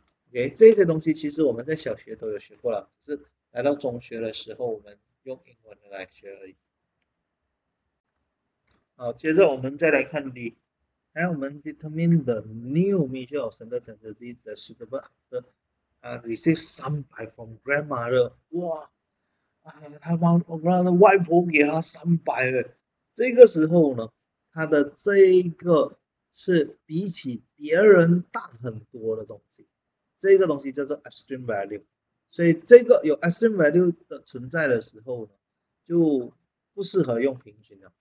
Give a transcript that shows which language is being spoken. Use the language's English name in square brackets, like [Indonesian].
[Chinese] OK，这些东西其实我们在小学都有学过了，只是来到中学的时候我们用英文来学而已。好，接着我们再来看 D，还有我们 [English] determine the new measure of center tendency the suitable after receive 300 from grandmother。 [Chinese] 哇，他妈我让他外婆给他300了。这个时候呢，他的这个是比起别人大很多的东西，这个东西叫做 extreme value。所以这个有 extreme value 的存在的时候呢，就不适合用平均了。